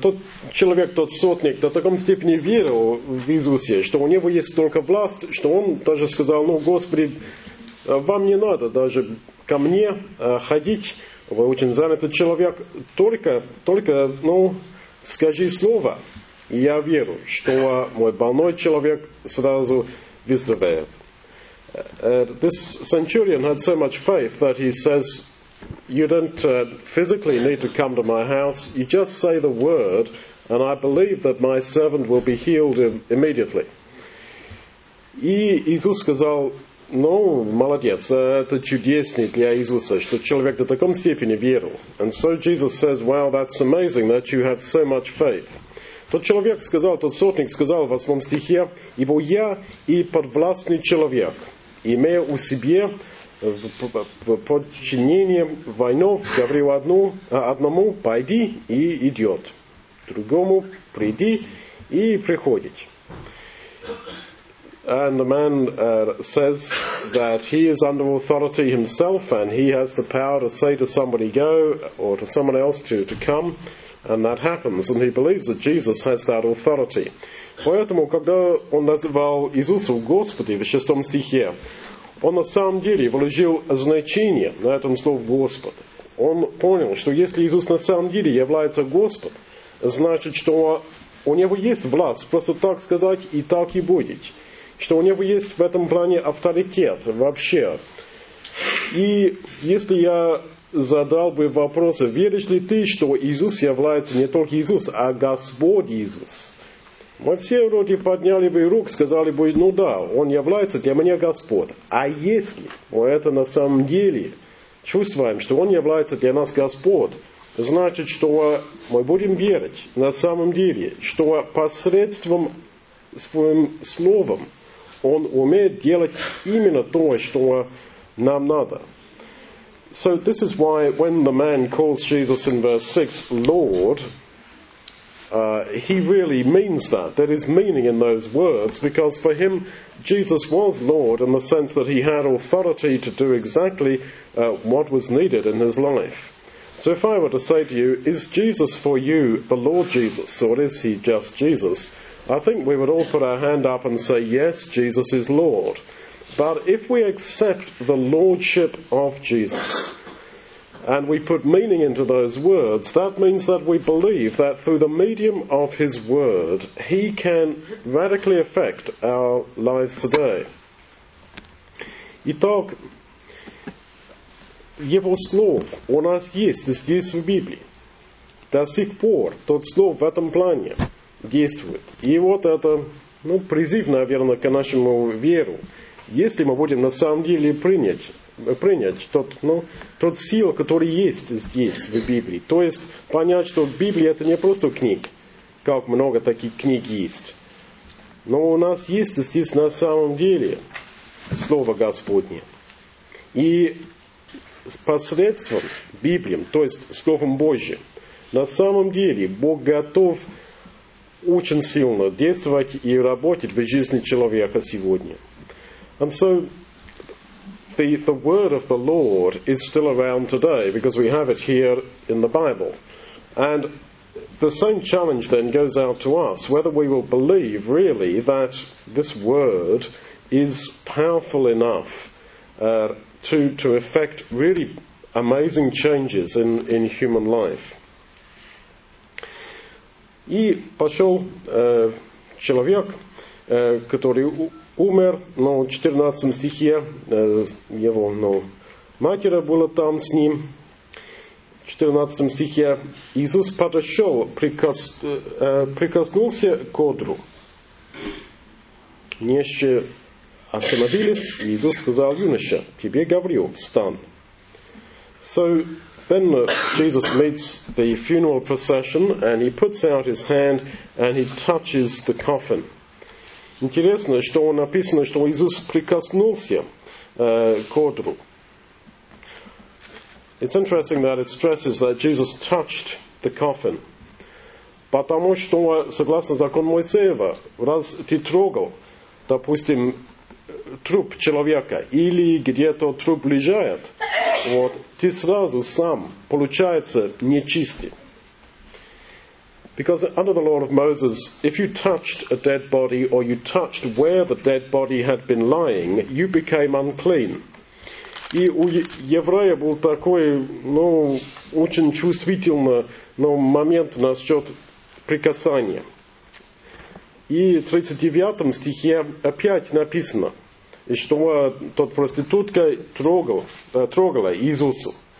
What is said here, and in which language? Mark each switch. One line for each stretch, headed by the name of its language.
Russian: Тот человек, тот сотник, до таком степени верил в Иисусе, что у него есть только власть, что он даже сказал, ну, Господи, вам не надо даже ко мне ходить, вы очень занятый человек, только, ну, скажи слово, и я верю, что мой больной человек сразу выздоровеет.
English: This centurion had so much faith that he says, you don't physically need to come to my house, you just say the word, and I believe that my servant will be healed immediately.
Russian: И Иисус сказал, ну, молодец, это чудесно для Иисуса, что человек до такой степени верил.
English: And so Jesus says, wow, that's amazing that you have so much faith.
Russian: Тот человек сказал, тот сотник сказал в 8 стихе, ибо я и подвластный человек, имея у себе в подчинении воинов, говорю одному, пойди и идет, другому приди и приходит.
English: And the man says that he is under authority himself and he has the power to say to somebody go or to someone else to come, and that happens, and he believes that Jesus has that authority.
Russian: Поэтому, когда он называл Иисуса Господи в 6 стихе, он на самом деле вложил значение на этом слове Господь. Он понял, что если Иисус на самом деле является Господь, значит, что у него есть власть просто так сказать, и так и будет. Что у него есть в этом плане авторитет вообще. И если я задал бы вопрос, веришь ли ты, что Иисус является не только Иисус, а Господь Иисус? Мы все вроде подняли бы руку, сказали бы, ну да, он является для меня Господь. А если мы это на самом деле чувствуем, что он является для нас Господь, значит, что мы будем верить на самом деле, что посредством своим словом он умеет делать именно то, что нам надо.
English: So this is why when the man calls Jesus in verse 6, Lord, he really means that. There is meaning in those words, because for him, Jesus was Lord in the sense that he had authority to do exactly what was needed in his life. So if I were to say to you, is Jesus for you the Lord Jesus, or is he just Jesus? I think we would all put our hand up and say, yes, Jesus is Lord. But if we accept the Lordship of Jesus, and we put meaning into those words, that means that we believe that through the medium of his word, he can radically affect our lives today.
Russian: Итак, его слово у нас есть здесь в Библии. До сих пор тот слово в этом плане действует. И вот это, ну, призыв, наверное, к нашему веру. Если мы будем на самом деле принять тот, ну, тот сил, который есть здесь в Библии. То есть понять, что Библия это не просто книг, как много таких книг есть. Но у нас есть здесь на самом деле Слово Господне. И посредством Библии, то есть Словом Божьим, на самом деле Бог готов очень сильно действовать и работать в жизни человека сегодня.
English: And so the word of the Lord is still around today because we have it here in the Bible. And the same challenge then goes out to us, whether we will believe really that this word is powerful enough to effect really amazing changes in human life.
Russian: И пошел человек, который умер, но в 14 стихе его, ну, матери было там с ним. В 14 стихе Иисус подошел, прикоснулся к одру. Нещи остановились, и Иисус сказал, юноша, тебе говорю, встань.
English: So, then Jesus meets the funeral procession, and he puts out his hand, and he touches the coffin.
Russian: Интересно, что написано, что Иисус прикоснулся к одру.
English: It's interesting that it stresses that Jesus touched the coffin.
Russian: Потому что, согласно закону Моисеева, раз ты трогал, допустим, труп человека или где-то труп лежает, вот, ты сразу сам получается нечистый.
English: Because under the law of Moses, if you touched a dead body or you touched where the dead body had been lying, you became unclean.
Russian: И у еврея был такой, ну, очень чувствительный, ну, момент насчет прикасания. И в 39 стихе опять написано, что тот проститутка трогала Иисуса.